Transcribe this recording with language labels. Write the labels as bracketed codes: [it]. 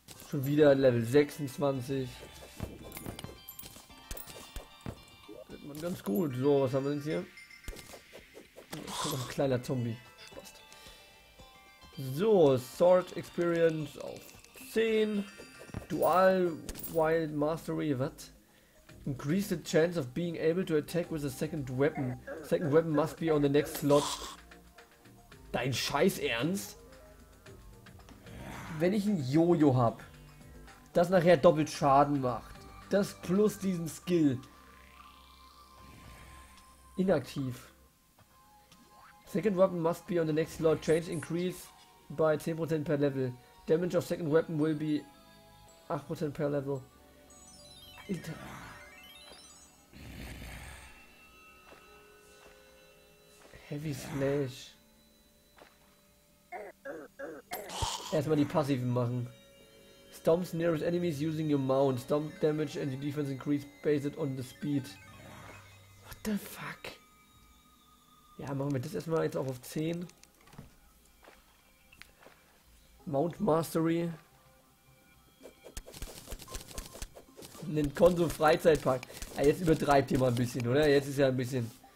[de] Schon wieder Level 26. Das wird man ganz gut. So, was haben wir denn hier? Oh, ein kleiner Zombie. Spaß. So, Sword Experience auf 10. [en] Dual Wild Mastery, what? Increase the chance of being able to attack with a second weapon. Second weapon must be on the next slot. [de] Dein Scheiß Ernst? Wenn ich ein Jojo hab, das nachher doppelt Schaden macht. Das plus diesen Skill. Inaktiv. [en] Second weapon must be on the next slot. Change increase by 10% per level. Damage of second weapon will be 8% per level. Heavy Slash. [de] Erstmal die Passiven machen. [en] Stomps nearest enemies using your mount. Stomp damage and your defense increase based on the speed. What the fuck? [de] Ja, machen wir das erstmal jetzt auch auf 10. [en] Mount Mastery. [de] Einen Konso-Freizeitpark. Ja, jetzt übertreibt ihr mal ein bisschen, oder? Jetzt ist ja ein bisschen.